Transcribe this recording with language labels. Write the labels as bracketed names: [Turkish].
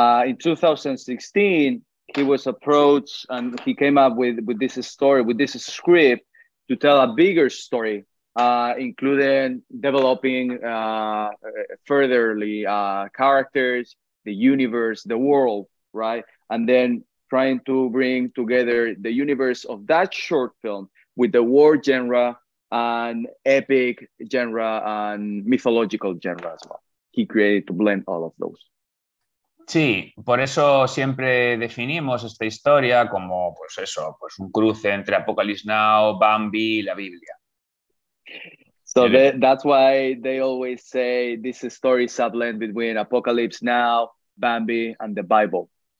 [English] In 2016, he was approached and he came up with this story, with this script to tell a bigger story, including developing furtherly characters, the universe, the world, right? And then trying to bring together the universe of that short film with the war genre and epic genre and mythological genre as well. He created to blend all of those. [Spanish] Sí, por eso siempre definimos esta historia como, pues eso, pues un cruce entre Apocalypse Now, Bambi y la Biblia. [English] So that's why they always say this story is a blend between Apocalypse Now, Bambi, and the Bible.